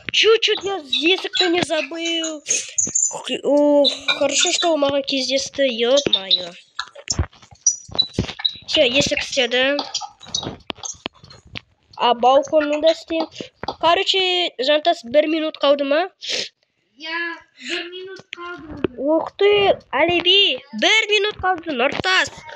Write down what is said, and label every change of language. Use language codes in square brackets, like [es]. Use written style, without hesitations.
[ru] Чуть-чуть я [kk] есікті [ru] не забыл. Ух, хорошо, что у мага [kk] кездесті, [ru] ёп-майо. [kk] Все, есік істеді. А балконның да істеді. короче, жантас бір минут қалды ма? Я бір минут қалды. Ух ты, Алиби, бір минут қалды, Нұртас.